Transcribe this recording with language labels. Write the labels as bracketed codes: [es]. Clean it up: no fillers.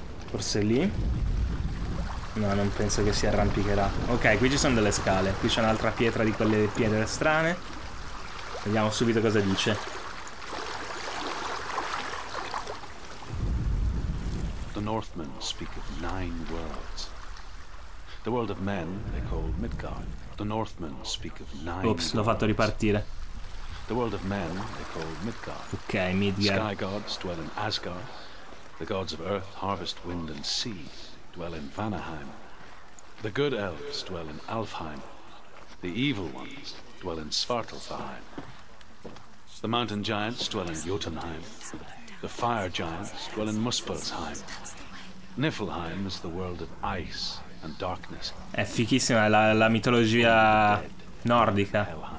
[it] Forse lì? No, non penso che si arrampicherà. Ok, qui ci sono delle scale. Qui c'è un'altra pietra di quelle pietre strane. Vediamo subito cosa dice. [en] The Northmen speak of nine worlds. The world of men they call Midgard. The Northmen speak of nine. [it] Ops, l'ho fatto ripartire. [en] The world of men they call Midgard. [it] Ok, Midgard. [en] Sky gods dwell in Asgard. The gods of earth, harvest, wind and sea dwell in Vanaheim. The good elves dwell in Alfheim. The evil ones dwell in Svartalfheim. The mountain giants dwell in Jotunheim. The fire giants dwell in Muspelheim. Niflheim is the world of ice and darkness. [it] È fichissima la mitologia nordica.